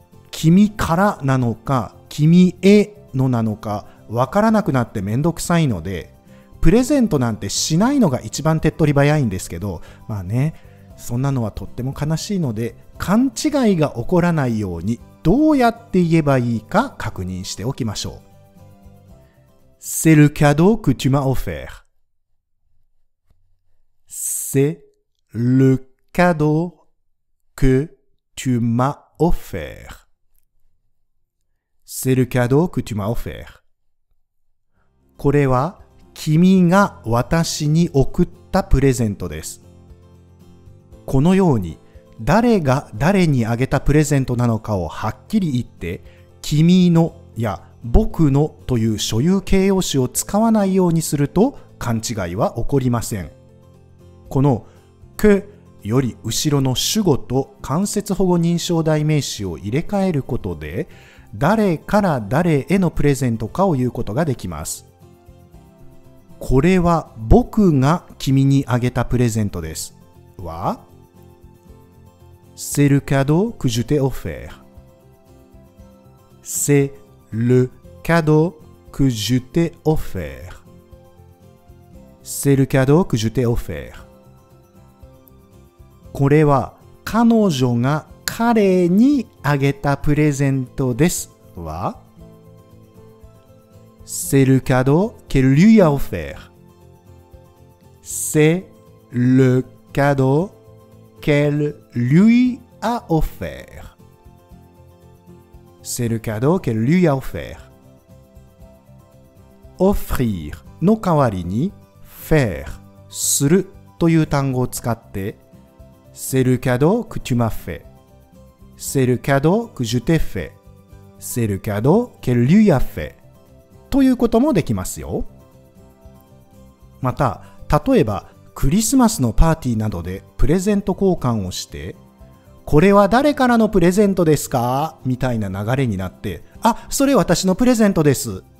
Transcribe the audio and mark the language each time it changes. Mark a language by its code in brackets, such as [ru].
[ja] 君からなのか君へのなのかわからなくなってめんどくさいので、プレゼントなんてしないのが一番手っ取り早いんですけど、まあね、そんなのはとっても悲しいので、勘違いが起こらないようにどうやって言えばいいか確認しておきましょう。 [fr] C'est le cadeau que tu m'as offert. C'est le cadeau que tu m'as offert. C'est le cadeau que tu m'as offert. [ja] これは君が私に送ったプレゼントです。このように誰が誰にあげたプレゼントなのかをはっきり言って、君のや僕のという所有形容詞を使わないようにすると勘違いは起こりません。このくより後ろの主語と間接保護認証代名詞を入れ替えることで、誰から誰へのプレゼントかを言うことができます。これは僕が君にあげたプレゼントです。は? [fr] C'est le cadeau que je t'ai offert. C'est le cadeau que je t'ai offert. C'est le cadeau que je t'ai offert. [ja] これは彼女が彼にあげたプレゼントです。は? [fr] C'est le cadeau qu'elle lui a offert. C'est le cadeau qu'elle lui a offert. C'est le cadeau qu'elle lui a offert. [ja] Offrir の代わりに faire するという単語を使って [fr] C'est le cadeau que tu m'as fait. C'est le cadeau que je t'ai fait. C'est le cadeau qu'elle lui a fait. [ja] ということもできますよ。また、例えばクリスマスのパーティーなどでプレゼント交換をして、これは誰からのプレゼントですか? みたいな流れになって、あ、それ私のプレゼントです!